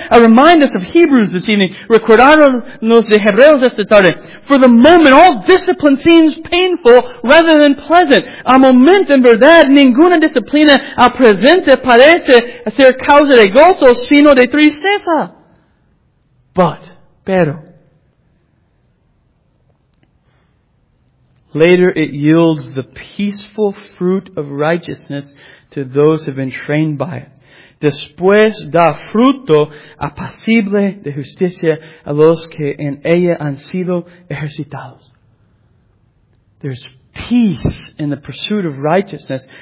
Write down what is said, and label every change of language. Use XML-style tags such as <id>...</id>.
<en>A reminder of Hebrews this evening.</en> <es>Recordarnos de Hebreos esta tarde.</es> <en>For the moment, all discipline seems painful rather than pleasant.</en> <es>Al momento, en verdad, ninguna disciplina al presente parece ser causa de gozo, sino de tristeza.</es> <en>But,</en> <es>pero.</es> <en>Later, it yields the peaceful fruit of righteousness to those who have been trained by it.</en> <es>Después da fruto apacible de justicia a los que en ella han sido ejercitados.</es> <en>There's peace in the pursuit of righteousness.</en>